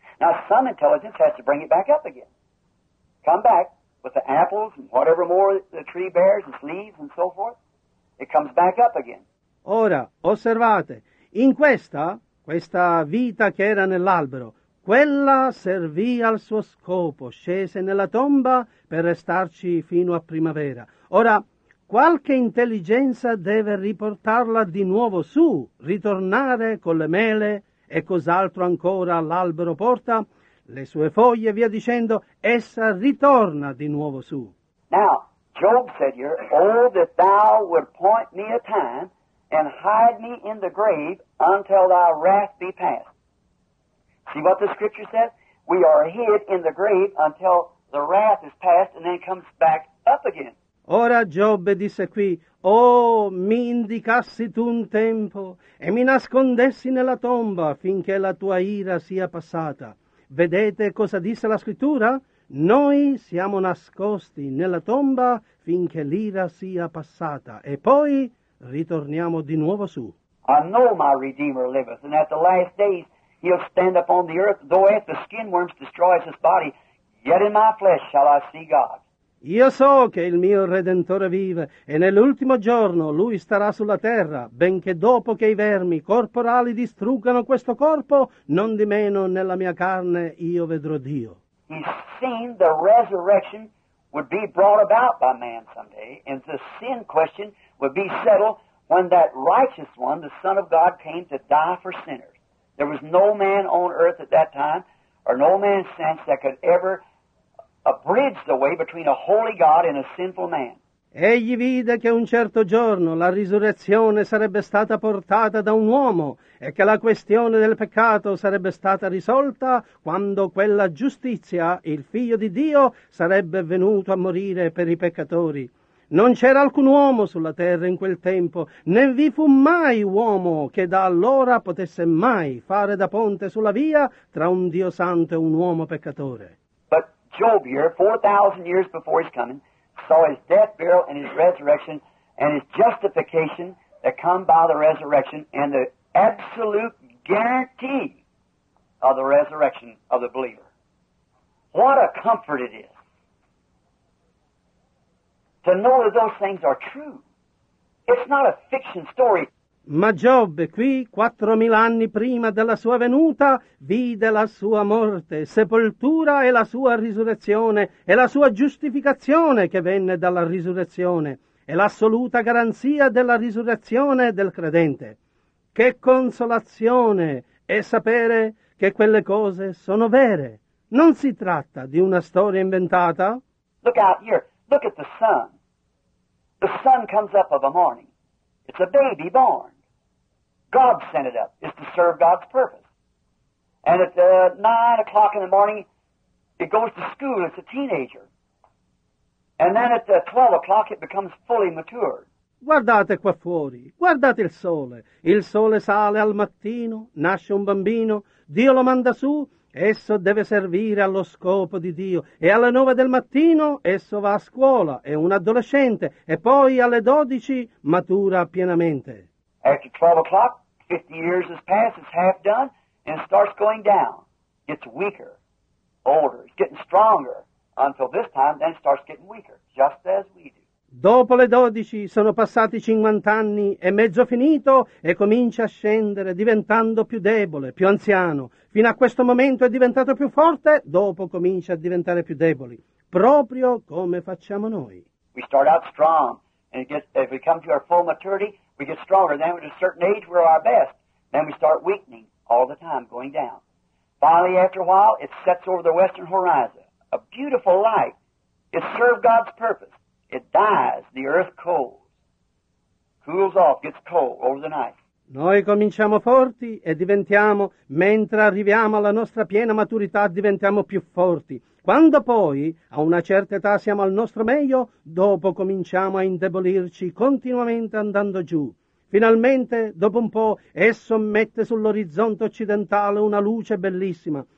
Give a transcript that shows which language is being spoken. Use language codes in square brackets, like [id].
[en] Now, some intelligence has to bring it back up again. Come back with the apples and whatever more the tree bears, its leaves and so forth. It comes back up again. [it] Ora, osservate, in questa vita che era nell'albero, quella servì al suo scopo, scese nella tomba per restarci fino a primavera. Ora, qualche intelligenza deve riportarla di nuovo su, ritornare con le mele e cos'altro ancora l'albero porta, le sue foglie, via dicendo, essa ritorna di nuovo su. [en] Now, Job said here, oh, that thou would point me a time and hide me in the grave until thy wrath be past. See what the scripture says? We are hid in the grave until the wrath is past and then comes back up again. [it] Ora Giobbe disse qui, oh, mi indicassi tu un tempo e mi nascondessi nella tomba finché la tua ira sia passata. Vedete cosa disse la scrittura? Noi siamo nascosti nella tomba finché l'ira sia passata e poi ritorniamo di nuovo su. [en] I know my Redeemer liveth, and at the last days he'll stand upon the earth, though if the skin worms destroys his body, yet in my flesh shall I see God. [it] Io so che il mio Redentore vive, e nell'ultimo giorno lui starà sulla terra, benché dopo che i vermi corporali distruggano questo corpo, non di meno nella mia carne io vedrò Dio. [en] He's seen the resurrection would be brought about by man someday, and the sin question would be settled when that righteous one, the Son of God, came to die for sinners. There was no man on earth at that time, or no man since, that could ever abridge the way between a holy God and a sinful man. [it] Egli vide che un certo giorno la risurrezione sarebbe stata portata da un uomo e che la questione del peccato sarebbe stata risolta quando quella giustizia, il Figlio di Dio, sarebbe venuto a morire per i peccatori. Non c'era alcun uomo sulla terra in quel tempo, né vi fu mai uomo che da allora potesse mai fare da ponte sulla via tra un Dio santo e un uomo peccatore. [en] Job here, 4,000 years before his coming, saw his death, burial, and his resurrection, and his justification that come by the resurrection, and the absolute guarantee of the resurrection of the believer. What a comfort it is to know that those things are true. It's not a fiction story. [it] Ma Giobbe qui, 4,000 anni prima della sua venuta, vide la sua morte, sepoltura e la sua risurrezione e la sua giustificazione che venne dalla risurrezione e l'assoluta garanzia della risurrezione del credente. Che consolazione è sapere che quelle cose sono vere. Non si tratta di una storia inventata. [en] Look out here. Look at the sun. The sun comes up of a morning. It's a baby born. God sent it up. It's to serve God's purpose. And at 9 o'clock in the morning, it goes to school. It's a teenager. And then at 12 o'clock, it becomes fully matured. [it] Guardate qua fuori, guardate il sole. Il sole sale al mattino, nasce un bambino, Dio lo manda su, esso deve servire allo scopo di Dio. E alle 9 del mattino esso va a scuola, è un adolescente, e poi alle 12 matura pienamente. [en] After 12 o'clock, 50 years has passed, it's half done, and it starts going down. Gets weaker, older, it's getting stronger, until this time then it starts getting weaker, just as we do. [it] Dopo le 12 sono passati 50 anni e mezzo finito e comincia a scendere diventando più debole, più anziano. Fino a questo momento è diventato più forte, dopo comincia a diventare più deboli, proprio come facciamo noi. [en] We start out strong and if we come to our full maturity, we get stronger. Then at a certain age we're our best. Then we start weakening all the time, going down. Finally, after a while, it sets over the western horizon. A beautiful light. It served God's purpose. It dies, the earth cools, cools off, gets cold over the night. [it] Noi cominciamo forti e diventiamo, mentre arriviamo alla nostra piena maturità, diventiamo più forti. Quando poi, a una certa età, siamo al nostro meglio, dopo cominciamo a indebolirci continuamente andando giù. Finalmente, dopo un po', esso mette sull'orizzonte occidentale una luce bellissima.